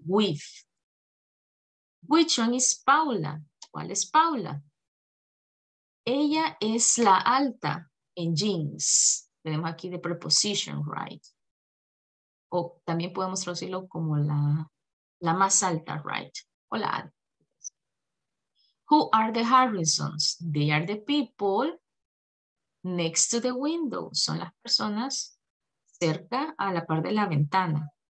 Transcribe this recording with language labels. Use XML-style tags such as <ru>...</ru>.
<en>With. Which one is Paula?</en> <es>¿Cuál es Paula? Ella es la alta en jeans. Tenemos aquí</es> <en>the preposition, right?</en> <es>O también podemos traducirlo como la más alta, right? O la alta.</es> <en>Who are the Harrisons? They are the people next to the window.</en> <es>Son las personas cerca a la par de la ventana.</es>